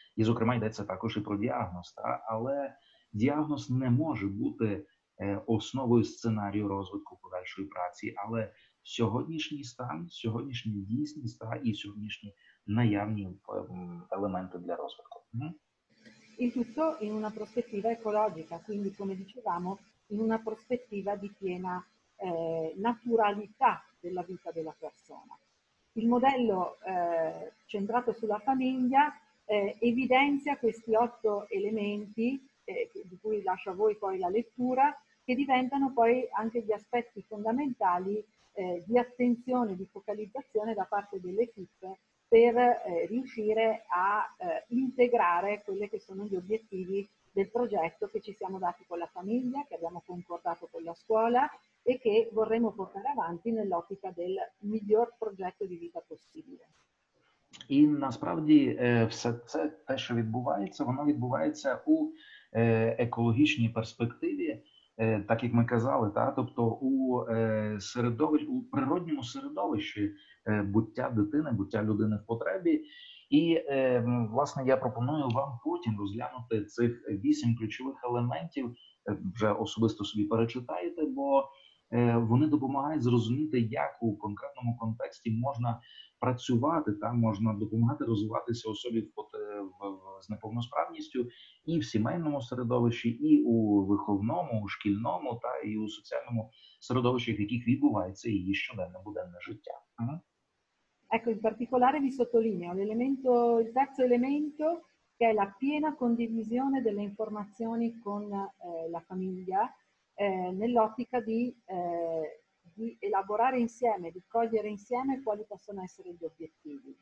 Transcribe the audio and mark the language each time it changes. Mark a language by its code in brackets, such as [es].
[uk] І, зокрема, йдеться також і про діагноз. Але діагноз не може бути основою сценарію розвитку подальшої праці, але сьогоднішній стан, сьогоднішні дійсність і сьогоднішні наявні елементи для розвитку. [it] Il tutto in una prospettiva ecologica, quindi, come dicevamo, in una prospettiva di piena naturalità della vita della persona. Il modello centrato sulla famiglia evidenzia questi 8 elementi, di cui lascio a voi poi la lettura, che diventano poi anche gli aspetti fondamentali di attenzione, di focalizzazione da parte dell'equipe per riuscire a integrare quelli che sono gli obiettivi del progetto che ci siamo dati con la famiglia, che abbiamo concordato con la scuola e che vorremmo portare avanti nell'ottica del miglior progetto di vita possibile. [uk] І насправді все це, те, що відбувається, воно відбувається у екологічній перспективі, так як ми казали, та? Тобто у середовищі, у природньому середовищі буття дитини, буття людини в потребі. І, власне, я пропоную вам потім розглянути цих 8 ключових елементів, вже особисто собі перечитаєте, бо вони допомагають зрозуміти, як у конкретному контексті можна працювати, та можна допомагати розвиватися особі з неповносправністю і в сімейному середовищі, і у виховному, у шкільному, та і у соціальному середовищі, в яких відбувається її щоденне буденне життя. [it] Ecco, in particolare vi sottolineo l'elemento, il terzo elemento, che è la piena condivisione delle informazioni con la famiglia, nell'ottica di elaborare insieme, di cogliere insieme quali possono essere gli obiettivi.